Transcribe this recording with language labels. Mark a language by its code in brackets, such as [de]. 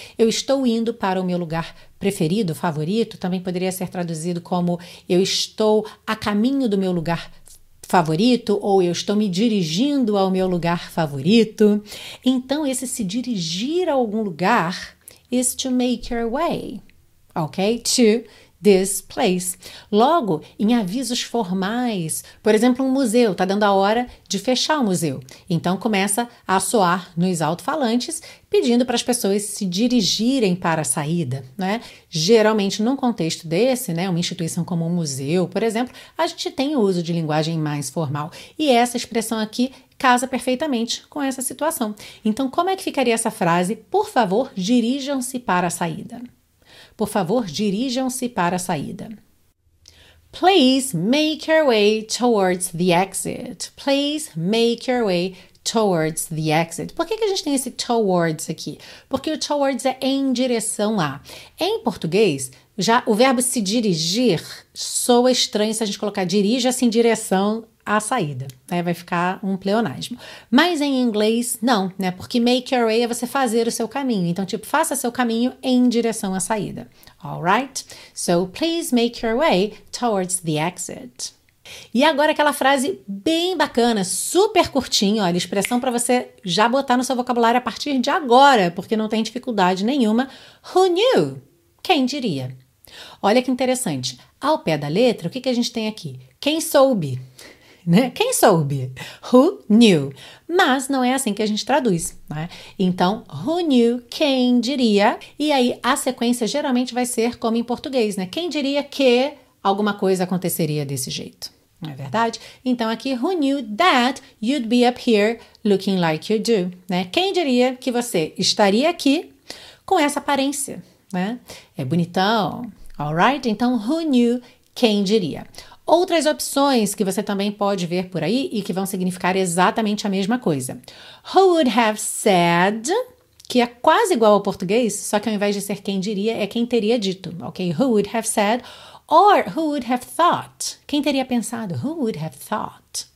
[pt] Eu estou indo para o meu lugar preferido, favorito. Também poderia ser traduzido como eu estou a caminho do meu lugar favorito ou eu estou me dirigindo ao meu lugar favorito. Então, esse se dirigir a algum lugar [en] is to make your way. [pt] Ok? [en] To this place. [pt] Logo, em avisos formais, por exemplo, um museu, tá dando a hora de fechar o museu. Então, começa a soar nos alto-falantes, pedindo para as pessoas se dirigirem para a saída, né? Geralmente, num contexto desse, né, uma instituição como um museu, por exemplo, a gente tem o uso de linguagem mais formal. E essa expressão aqui casa perfeitamente com essa situação. Então, como é que ficaria essa frase? Por favor, dirijam-se para a saída. Por favor, dirijam-se para a saída. [en] Please make your way towards the exit. Please make your way towards the exit. [pt] Por que a gente tem esse towards aqui? Porque o towards é em direção a. Em português, já o verbo se dirigir soa estranho se a gente colocar dirija-se em direção à saída, né? Vai ficar um pleonasmo. Mas em inglês, não, né? Porque make your way é você fazer o seu caminho. Então, tipo, faça seu caminho em direção à saída. [en] All right? So, please make your way towards the exit. [pt] E agora aquela frase bem bacana, super curtinha, olha, expressão para você já botar no seu vocabulário a partir de agora, porque não tem dificuldade nenhuma. [en] Who knew? [pt] Quem diria? Olha que interessante. Ao pé da letra, o que a gente tem aqui? Quem soube? Né? Quem soube? [en] Who knew? [pt] Mas não é assim que a gente traduz, né? Então, [en] who knew? [pt] Quem diria? E aí, a sequência geralmente vai ser como em português, né? Quem diria que alguma coisa aconteceria desse jeito? Não é verdade? Então, aqui, [en] who knew that you'd be up here looking like you do? [pt] Né? Quem diria que você estaria aqui com essa aparência? Né? É bonitão. Alright? Então, [en] who knew? [pt] Quem diria? Outras opções que você também pode ver por aí e que vão significar exatamente a mesma coisa. [en] Who would have said, [pt] que é quase igual ao português, só que ao invés de ser quem diria, é quem teria dito, ok? [en] Who would have said, or who would have thought, [pt] quem teria pensado, [en] who would have thought.